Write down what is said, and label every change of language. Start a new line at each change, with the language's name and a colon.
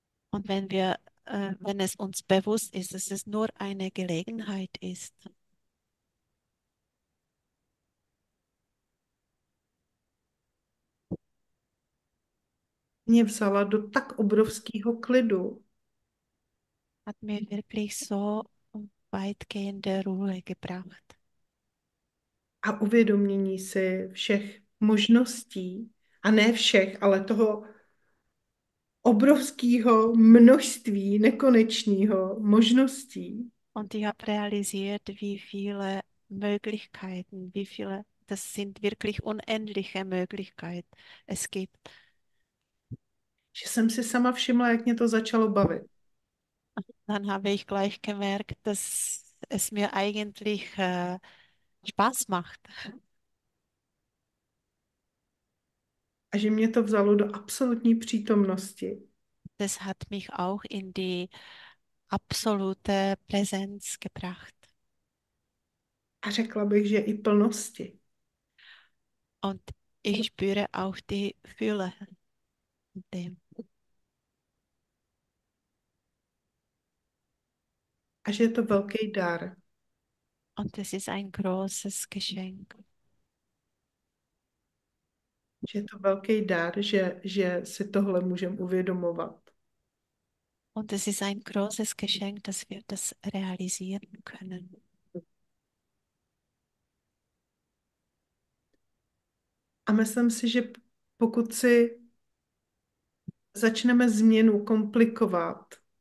German: Und wenn es uns bewusst ist, dass es nur eine Gelegenheit ist.
Czech: Mě vzala do tak obrovského klidu.
German: Hat mir wirklich so weitgehende Ruhe gebracht.
Czech: A uvědomění si všech možností, a ne všech, ale toho obrovského množství nekonečného možností.
German: Und ich habe realisiert, wie viele Möglichkeiten, wie viele, das sind wirklich unendliche Möglichkeiten, es gibt.
Czech: Že jsem si sama všimla, jak mě to začalo bavit.
German: Dann habe ich gleich gemerkt, dass es mir eigentlich Spaß macht.
Czech: A že mě to vzalo do absolutní přítomnosti.
German: Das hat mich auch in die absolute Präsenz gebracht.
Czech: A řekla bych, že i plnosti.
German: Und ich spüre auch die Fülle in dem.
Czech: A že je to velký dar.
German: Und es ist ein großes Geschenk.
Czech: Že je to velký dar, že si tohle můžeme uvědomovat.
German: Und es ist ein großes Geschenk, dass wir das realisieren können.
Czech: A myslím si, že pokud si začneme změnu komplikovat,